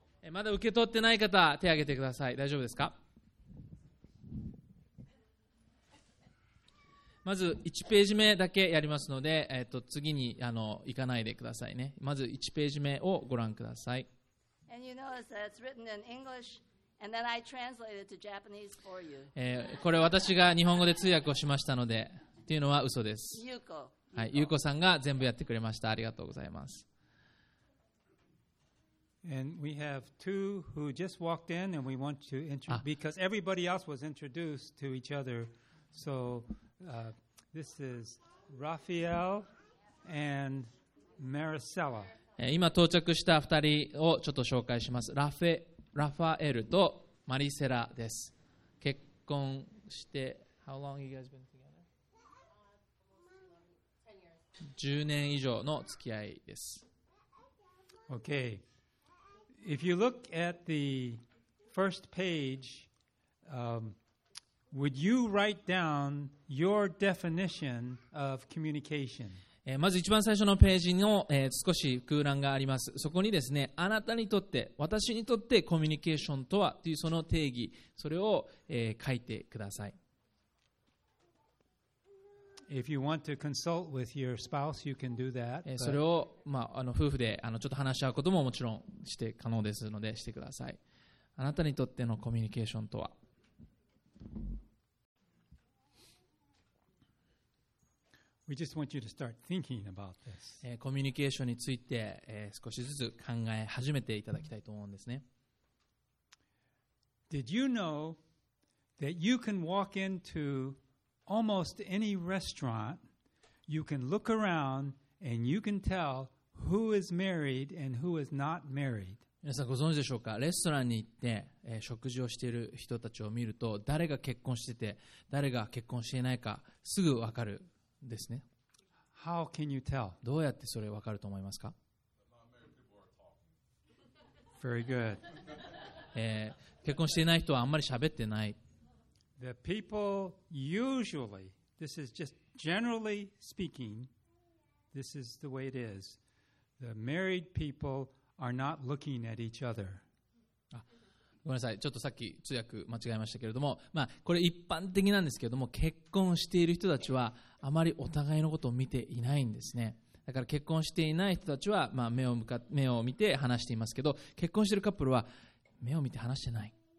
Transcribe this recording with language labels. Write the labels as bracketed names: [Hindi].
[Japanese] まだ受け取ってない方、手を挙げてください。大丈夫ですか？まず1ページ目だけやりますので、次にあの行かないでくださいね。まず1ページ目をご覧ください。 [English] And you notice that it's written in English, and then I translated to Japanese for you. [Japanese] これ私が日本語で通訳をしましたので、っていうのは嘘です。ゆうこ。はい、ゆうこさんが全部やってくれました。ありがとうございます。 [English] And we have two who just walked in, and we want to introduce because everybody else was introduced to each other. So this is Raphael and Maricela. [Japanese] 今到着した2人をちょっと紹介します。ラファエルとマリセラです。結婚して、 [English] How long have you guys been together? [Japanese] 10年以上の付き合いです。 [English] Okay. If you look at the first page, would you write down your definition of communication? [Japanese] まず一番最初のページの、少し空欄があります。そこにですね、あなたにとって、私にとってコミュニケーションとはというその定義、それを、書いてください。 [English] If you want to consult with your spouse, you can do that. [Japanese] それを、まあ、あの夫婦であのちょっと話し合うことももちろんして可能ですのでしてください。あなたにとってのコミュニケーションとは？ [English] We just want you to start thinking about this. [Japanese] コミュニケーションについて、少しずつ考え始めていただきたいと思うんですね。 [English] Did you know that you can walk intoAlmost any restaurant, you can look around and you can tell who is married and who is not married. [Japanese] 皆さんご存知でしょうか。レストランに行って、食事をしている人たちを見ると、誰が結婚してて、誰が結婚していないか、すぐ分かるんですね。 [English] How can you tell? [Japanese] どうやってそれ分かると思いますか。 [English] Very good. [Japanese] 結婚していない人はあんまり喋ってない。 [English] The people usually, this is just generally speaking, this is the way it is. The married people. Are not looking at each other. [Japanese] ごめんなさい、ちょっとさっき通訳間違えましたけれども、まあ、これ一般的なんですけれども、結婚している人たちはあまりお互いのことを見ていないんですね。だから結婚していない人たちは、まあ、目を見て話していますけど、結婚しているカップルは目を見て話してない。